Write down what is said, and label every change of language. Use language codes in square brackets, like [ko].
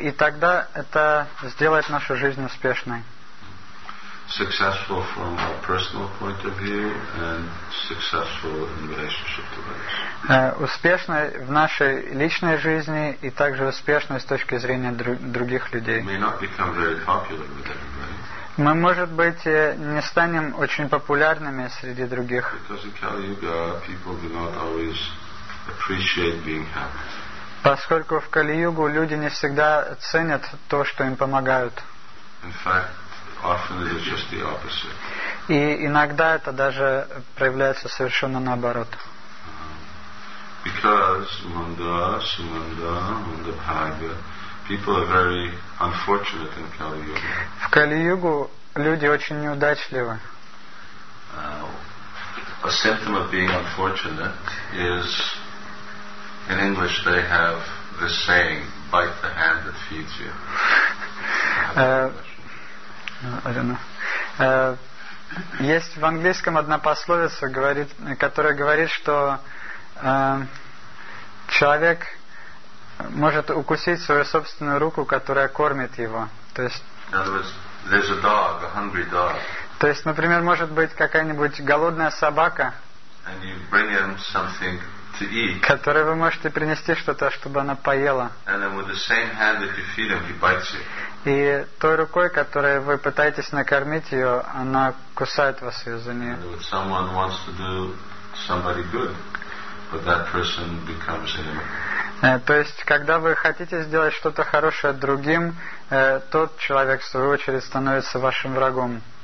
[ru] И тогда это сделает нашу жизнь успешной. [en] Successful from our personal point of view and successful in relationship to others. [ru] Успешной в нашей личной жизни и также успешной с точки зрения других людей. [en] May not become very popular with everybody. [ru] Мы, может быть, не станем очень популярными среди других. [en] Because in Kali-Yuga people do not always appreciate being happy. [ru] Поскольку в Кали-Югу люди не всегда ценят то, что им помогают. [en] In fact, often it is just the opposite. [ru] И иногда это даже проявляется совершенно наоборот. [en] Because Munda, Sumunda, Munda Bhaga, people are very unfortunate in Kali Yuga. [ru] В Кали-Югу люди очень неудачливы. [en] A symptom of being unfortunate is, in English they have this saying, bite the hand that feeds you. [ru] Есть в английском одна пословица, которая говорит, что человек может укусить свою собственную руку, которая кормит его. То есть, [en] there's a dog, a hungry dog. [ru] То есть, например, может быть какая-нибудь голодная собака. [en] and you bring him something to eat. [ru] Которое вы можете принести что-то, чтобы она поела. [en] And then with the same hand that you feed him, he bites you. [ru] И той рукой, которой вы пытаетесь накормить ее, она кусает вас ее за нее. [en] And if someone wants to do somebody good, but that person becomes an enemy. [ru] То есть, когда вы хотите сделать что-то хорошее другим, тот человек, в свою очередь, становится вашим врагом.